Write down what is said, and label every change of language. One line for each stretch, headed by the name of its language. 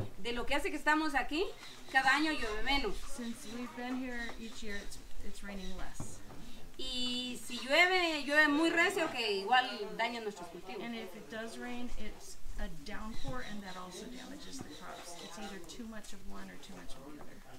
Spanish: De lo que hace que estamos aquí, cada año llueve menos.
English: Since we've been here each year, it's raining less.
Spanish: Y si llueve, llueve muy recio, que igual daña nuestros cultivos.
English: And if it does rain, it's a downpour, and that also damages the crops. It's either too much of one or too much of the other.